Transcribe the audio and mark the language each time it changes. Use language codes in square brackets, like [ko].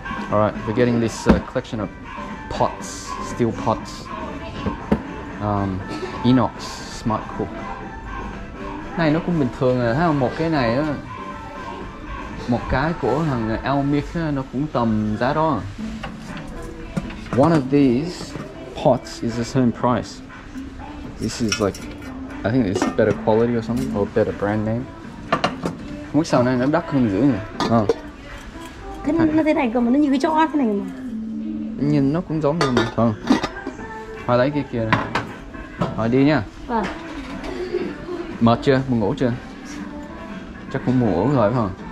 [en] Alright, we're getting this collection of pots, steel pots, inox, smart cook. [vi] Này nó cũng bình thường rồi, thấy không? Một cái này á, một cái của thằng Elmik nó cũng tầm giá đó. [en] One of these pots is the same price. This is like, I think it's better quality or something, or better brand name. [vi] Không biết sao này nó đắt hơn dữ nhỉ? Cái nó thế này cơ mà nó như cái chó thế này mà. Nhìn nó cũng giống như mà. Thôi lấy cái kia này. Thôi đi nha. Vâng. Mệt chưa? Mình ngủ chưa? Chắc cũng ngủ rồi phải không?